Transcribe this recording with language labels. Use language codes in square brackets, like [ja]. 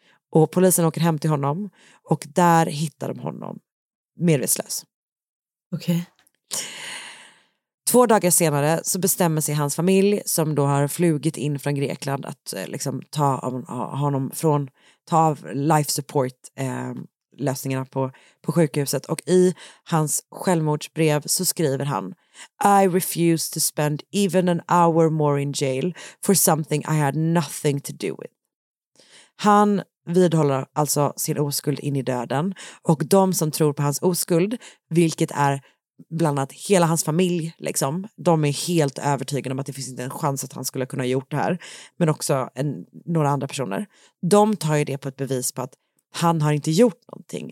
[sv] Och polisen åker hem till honom och där hittar de honom medvetslös. Okej. Två dagar senare så bestämmer sig hans familj, som då har flugit in från Grekland, att liksom ta av honom från, ta av life support lösningarna på sjukhuset. Och i hans självmordsbrev så skriver han: [en] I refuse to spend even an hour more in jail for something I had nothing to do with. [sv] Han vidhåller alltså sin oskuld in i döden, och de som tror på hans oskuld, vilket är bland annat hela hans familj liksom, de är helt övertygade om att det finns inte en chans att han skulle kunna ha gjort det här, men också några andra personer, de tar ju det på ett bevis på att han har inte gjort någonting.